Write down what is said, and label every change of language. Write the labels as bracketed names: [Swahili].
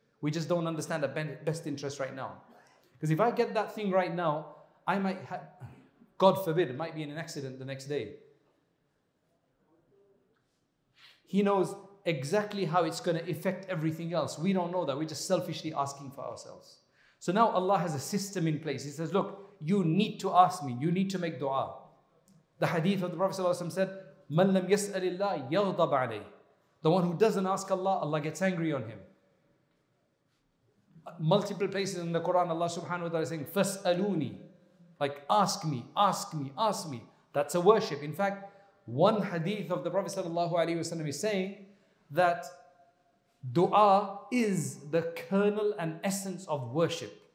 [English] We just don't understand the best interest right now. Because if I get that thing right now, I might have, God forbid, it might be in an accident the next day. He knows exactly how it's going to affect everything else. We don't know that. We're just selfishly asking for ourselves. So now Allah has a system in place. He says, look, you need to ask me. You need to make dua. The hadith of the Prophet ﷺ said, [Arabic] مَنْ لَمْ يَسْأَلِ اللَّهِ يَغْضَبْ عَلَيْهِ. [English] The one who doesn't ask Allah, Allah gets angry on him. Multiple places in the Quran, Allah subhanahu wa ta'ala is saying, [Arabic] فَاسْأَلُونِي. [English] Like, ask me, ask me, ask me. That's a worship. In fact, one hadith of the Prophet ﷺ is saying that dua is the kernel and essence of worship.